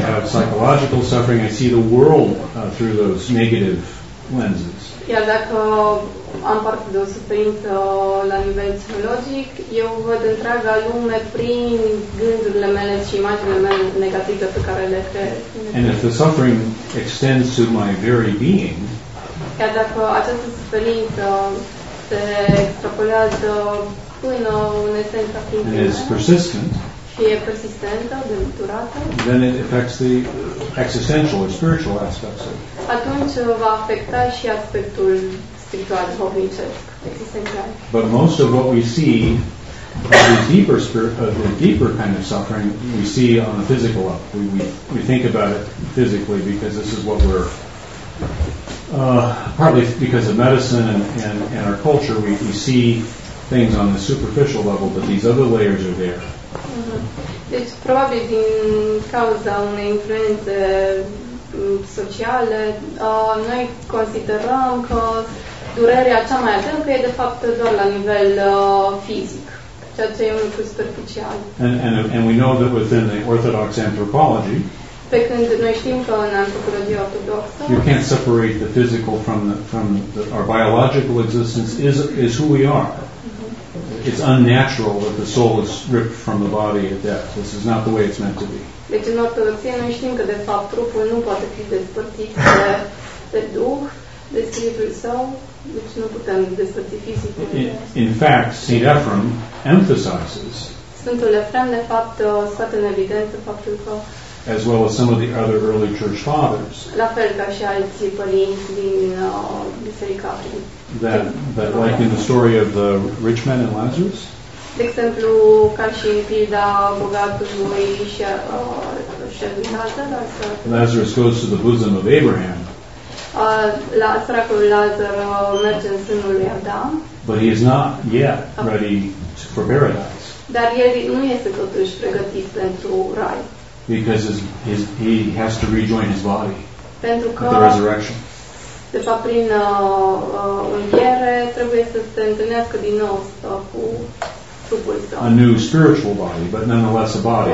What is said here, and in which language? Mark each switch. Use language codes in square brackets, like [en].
[en] have psychological suffering, I see the world through those negative lenses. [ro] Iar dacă am parte de o suferință la nivel psihologic, eu văd întreaga lume prin gândurile mele și imaginile mele negative pe care le cred. [en] And if the suffering extends to my very being, [ro] iar dacă această suferință se extrapolează [en] and is persistent, then it affects the existential or spiritual aspects of it. But most of what we see of the deeper kind of suffering, we see on a physical level. We think about it physically because this is what we're partly because of medicine and our culture, we see things on the superficial level, but these other layers are there. [ro] Deci, probabil din cauza unei influențe sociale, noi considerăm că durerea cea mai adâncă e de fapt doar la nivel fizic, ceea ce e un lucru superficial. [en] And we know that within the Orthodox anthropology, [ro] pe când noi știm că în antropologia ortodoxă, [en] you can't separate the physical from our biological existence is who we are. It's unnatural that the soul is ripped from the body at death. This is not the way it's meant to be. [ro] Deci, în ortodoxie, noi știm că, de fapt, trupul nu poate fi despărțit de duh, de spiritul său, deci nu putem despărți fizicul. [en] In fact, St. Ephrem emphasizes, [ro] Sfântul Efrem, de fapt, scoate în evidență faptul că, [en] as well as some of the other early church fathers, [ro] la fel ca și alții părinți din Biserica Aprilie, [en] That like in the story of the rich man and Lazarus, [ro] de exemplu, ca și în pilda bogatului și [en] Lazarus goes to the bosom of Abraham. [ro] Săracul Lazar merge în sânul lui Adam. [en] But he is not yet ready for paradise. [ro] Dar el nu este totuși pregătit pentru rai. [en] Because he has to rejoin his body. [ro] Pentru că [en] at the resurrection. [ro] De fapt, prin înviere, trebuie să se întâlnească din nou cu trupul său. [en] A new spiritual body, but nonetheless a body.